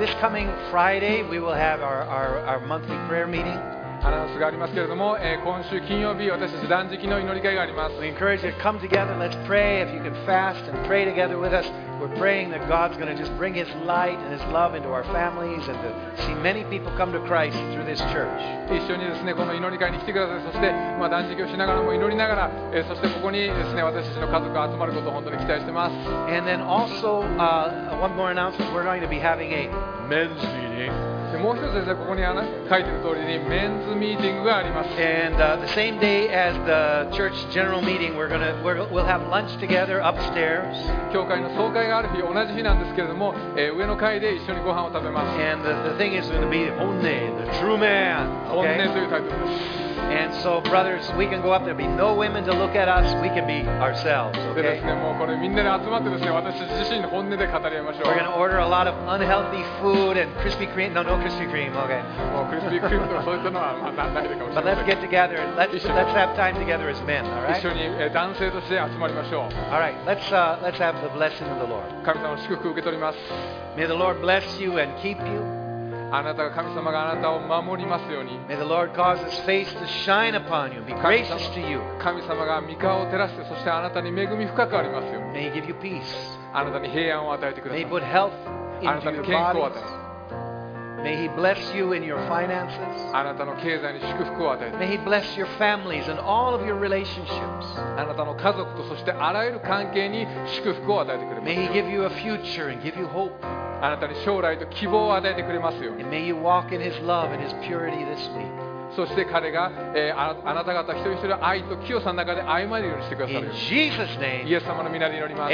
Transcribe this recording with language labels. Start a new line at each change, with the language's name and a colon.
English: This coming Friday, we will have our monthly prayer meeting.
Japanese: アナウンスがありますけれども、今週金曜日、私たち断食の祈り会があります。
English: We encourage you to come together. Let's pray. If you can fast and pray together with us, we're praying that God's going to just bring His light and His love into our families and to see many people come to Christ through this church.
Japanese: 一緒にですね、この祈り会に来てください。そして、まあ、断食をしながらも祈りながら、そしてここにですね、私たちの家族が集まることを本当に期待しています。
English: And then also, one more announcement. We're going to be having a men's meeting.
Japanese: もう一つですね、ここに書いてる通りにメンズミーティングがあります。
English: And the same day as the church general meeting, we'll have lunch together upstairs.
Japanese: 教会の総会がある日、同じ日なんですけれども、上の階で一緒にご飯を食べます。
English: And the thing is going to be 本音、the true man.
Japanese: 本音というタイトルです。
English: And so, brothers, we can go up. There'll be no women to look at us. We can be ourselves. Okay.
Japanese: でですね、もうこれみんなで集まってですね、私自身本音で語り合いましょう。
English: We're gonna order a lot of unhealthy food and Krispy Kreme. No, no Krispy Kreme. Okay.
Japanese: もうクリスピークリームとかそういったのはまあないかもしれない。
English: But let's get together. Let's have time together as men. All right.
Japanese: 一緒に男性として集まりましょう。
English: All right. Let's have the blessing of the Lord.
Japanese: 神様の祝福を受け取ります。
English: May the Lord bless you and keep you.
Japanese: あなたが神様があなたを守りますように。
English: May the Lord cause His face to shine upon you, be gracious to you.
Japanese: 神様が御顔を照らして、そしてあなたに恵み深くありますように。
English: May He give you peace.
Japanese: あなたに平安を与えてください。
English: May He put health into your body.
Japanese: あなたに健康を与え。
English: May He bless you in your finances.
Japanese: あなたの経済に祝福を与えて。
English: May He bless your families and all of your relationships.
Japanese: あなたの家族とそしてあらゆる関係に祝福を与えてくれ。
English: May He give you a future and give you hope.
Japanese: あなたに将来と希望を与えてくれますように。
English: And may you walk in His love and His purity this week.
Japanese: そして彼が、あなた方一人一人愛と清さの中で歩まれるようにしてくださる。
English: In Jesus' name.
Japanese: イエス様の御名で祈ります。